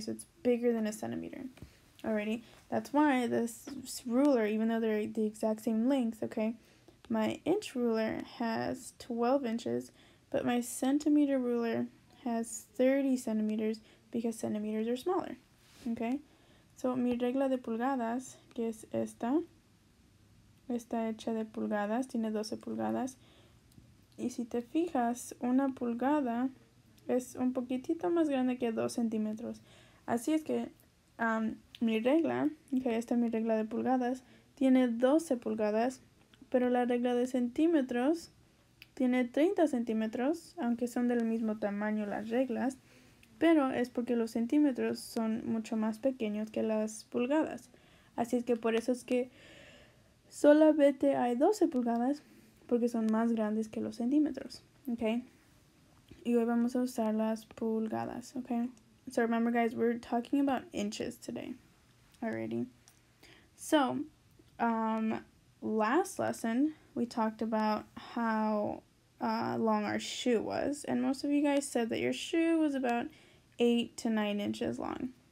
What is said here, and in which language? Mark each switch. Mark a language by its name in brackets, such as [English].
[English] So it's bigger than a centimeter, alrighty? That's why this ruler, even though they're the exact same length, okay, my inch ruler has 12 inches, but my centimeter ruler has 30 centimeters, because centimeters are smaller, okay? [Spanish] So, mi regla de pulgadas, que es esta, está hecha de pulgadas, tiene 12 pulgadas, y si te fijas, una pulgada es un poquitito más grande que 2 centímetros. Así es que mi regla, okay, esta es mi regla de pulgadas, tiene 12 pulgadas, pero la regla de centímetros tiene 30 centímetros, aunque son del mismo tamaño las reglas, pero es porque los centímetros son mucho más pequeños que las pulgadas. Así es que por eso es que solamente hay 12 pulgadas, porque son más grandes que los centímetros. Okay? Y hoy vamos a usar las pulgadas. Okay? [English] So remember guys, we're talking about inches today. Alrighty. So, last lesson, we talked about how long our shoe was. And most of you guys said that your shoe was about 8 to 9 inches long.